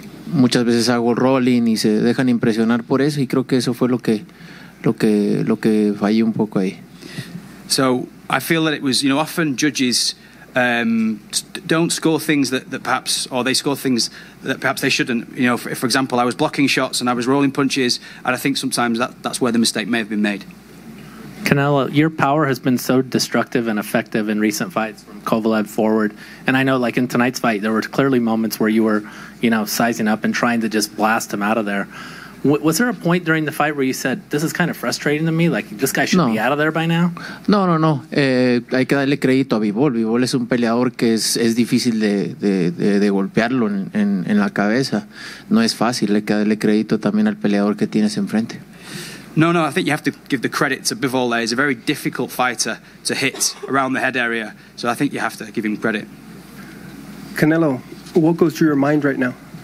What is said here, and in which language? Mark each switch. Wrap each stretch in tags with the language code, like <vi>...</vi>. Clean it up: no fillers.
<es>Muchas veces hago rolling y se dejan impresionar por eso, y creo que eso fue lo que fallé un poco ahí.</es> <en>So I feel that it was, you know, often judges don't score things that perhaps they shouldn't. You know, for example, I was blocking shots and I was rolling punches, and I think sometimes that's where the mistake may have been made. Canelo, your power has been so destructive and effective in recent fights from Kovalev forward. And I know, like in tonight's fight, there were clearly moments where you were, you know, sizing up and trying to just blast him out of there. Was there a point during the fight where you said, this is kind of frustrating to me, like this guy should be out of there by now?</en> <es>No. Hay que darle crédito a Bivol. Bivol es un peleador que es difícil de golpearlo en la cabeza. No es fácil. Hay que darle crédito también al peleador que tienes enfrente.</es> <en>No, I think you have to give the credit to Bivol. He's a very difficult fighter to hit around the head area. So I think you have to give him credit. Canelo, what goes through your mind right now?</en>